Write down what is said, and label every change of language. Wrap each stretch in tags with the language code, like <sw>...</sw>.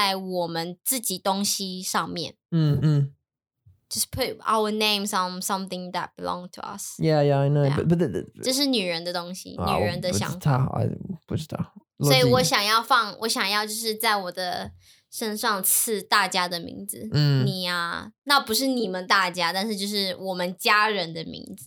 <zh>我们女生有一种就是喜欢把我们自己的名字放在我们自己东西上面。 Mm-hmm.</zh> <en>Just put our names on something that belongs to us. Yeah, yeah, I know. Yeah. But</en> <zh>这是女人的东西, 女人的想法。我不知道。所以我想要放,我想要就是在我的身上刺大家的名字。你啊, 那不是你们大家, 但是就是我们家人的名字。</zh>